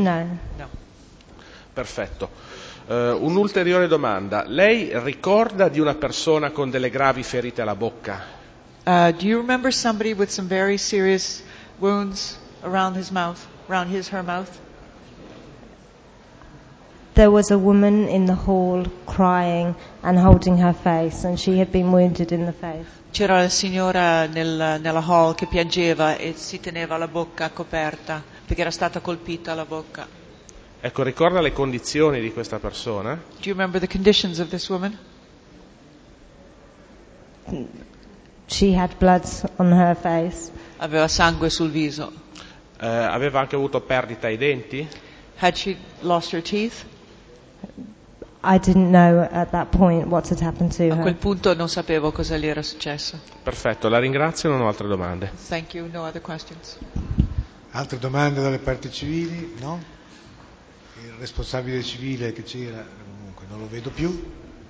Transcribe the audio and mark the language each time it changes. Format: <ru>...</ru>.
<it>No. No. Perfetto. Un'ulteriore domanda. Lei ricorda di una persona con delle gravi ferite alla bocca?</it> <en>Do you remember somebody with some very serious wounds around his mouth, around his her mouth? There was a woman in the hall crying and holding her face, and she had been wounded in the face.</en> <it>C'era la signora nella hall che piangeva e si teneva la bocca coperta perché era stata colpita alla bocca. Ecco, ricorda le condizioni di questa persona?</it> <en>Do you remember the conditions of this woman? She had blood on her face. Aveva sangue sul viso.</en> <it>Aveva anche avuto perdita ai denti?</it> <en>Had she lost her teeth? I didn't know at that point what had happened to her.</en> <it>A quel punto non sapevo cosa le era successo. Perfetto, la ringrazio, non ho altre domande.</it> <en>Thank you, no other questions.</en> <it>Altre domande dalle parti civili? No? Il responsabile civile che c'era, comunque non lo vedo più.</it>